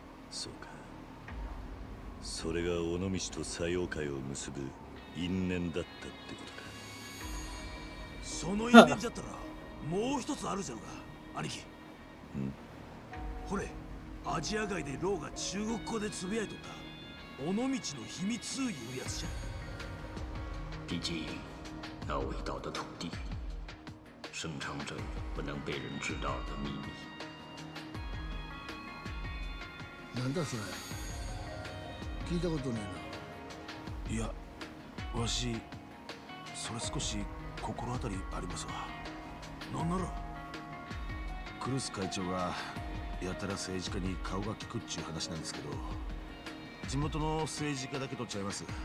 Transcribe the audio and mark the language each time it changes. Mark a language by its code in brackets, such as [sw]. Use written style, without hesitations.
[ja] そうか、それが尾道と西洋会を結ぶ因縁だったってことか。その因縁じゃったらもう一つあるじゃろうが兄貴。ん、ほれ、アジア街でロウが中国語でつぶやいとった尾道の秘密いうやつじゃ。 [zh] 毕竟那味道的土地生产着不能被人知道的秘密。 [ja] 何だそれ、聞いたことねえな。いや、わしそれ少し心当たりありますわ。なんならクルス会長がやたら政治家に顔が利くっちゅう話なんですけど、地元の政治家だけとちゃいます。